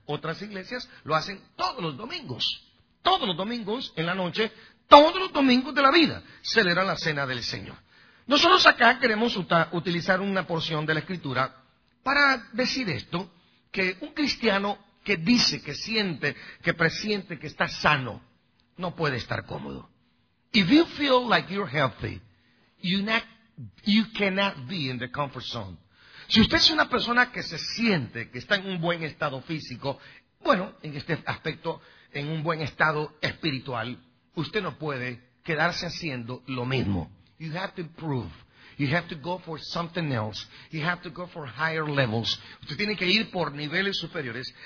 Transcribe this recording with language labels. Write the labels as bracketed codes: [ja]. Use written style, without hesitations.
[es] Otras iglesias lo hacen todos los domingos en la noche, todos los domingos de la vida celebran la cena del Señor. Nosotros acá queremos utilizar una porción de la Escritura para decir esto, que un cristiano que dice, que siente, que presiente que está sano, no puede estar cómodo. [en] If you feel like you're healthy, you cannot be in the comfort zone. [es] Si usted es una persona que se siente que está en un buen estado físico, bueno, en este aspecto, en un buen estado espiritual, usted no puede quedarse haciendo lo mismo. [en] You have to improve. You have to go for something else. You have to go for higher levels. [es] Usted tiene que ir por niveles superiores.